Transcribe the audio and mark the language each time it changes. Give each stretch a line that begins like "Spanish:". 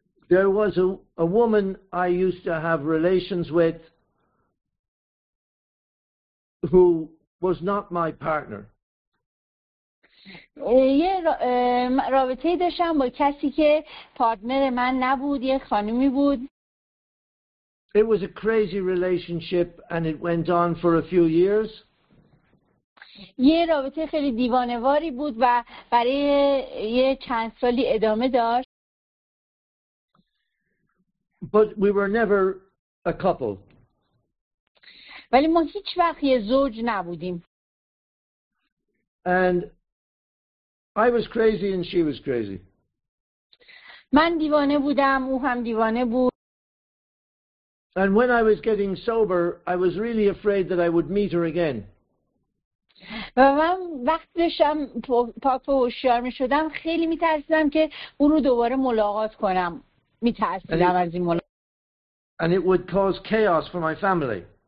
English: There was a woman I used to have relations with who was not my partner.
Persian: یه رابطه داشتم با کسی که پارتنر من نبود، یه خانمی بود.
English: It was a crazy relationship and it went on for a few years.
Persian: یه رابطه خیلی دیوانه‌واری بود و برای یه چند سالی ادامه داشت.
English: But we were never a couple.
Persian: ولی ما هیچ وقت یه زوج نبودیم.
English: And I was crazy and she was crazy.
Persian: من دیوانه بودم، او هم دیوانه بود.
English: And when I was getting sober, I was really afraid that I would meet her again.
Persian: و من وقتی داشتم پاک و هوشیار می‌شدم، خیلی می‌ترسیدم که او رو دوباره ملاقات کنم. می‌ترسیدم از این ملاقات.
English: And it would cause chaos for my family.